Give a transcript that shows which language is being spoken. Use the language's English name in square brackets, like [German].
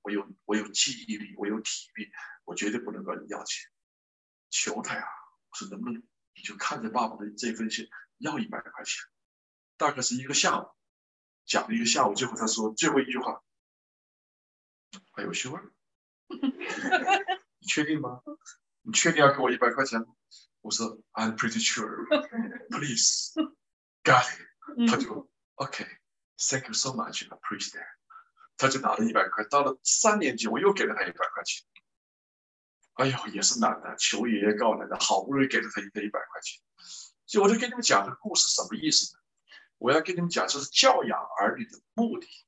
[Chinese] 我有记忆力，我有体力，我绝对不能管你要钱。求他呀，我说能不能你就看着爸爸的这份钱要100块钱，大概是一个下午，讲了一个下午，最后他说最后一句话，还有休啊？你确定吗？你确定要给我100块钱？我说 [English] I'm pretty sure, please, got it. [Chinese] 他就 [English] OK, thank you so much, appreciate that. [Chinese] 他就拿了100块。到了3年级，我又给了他100块钱。哎呦，也是难的，求爷爷告奶奶，好不容易给了他100块钱。就我就跟你们讲的故事什么意思呢？我要跟你们讲，就是教养儿女的目的。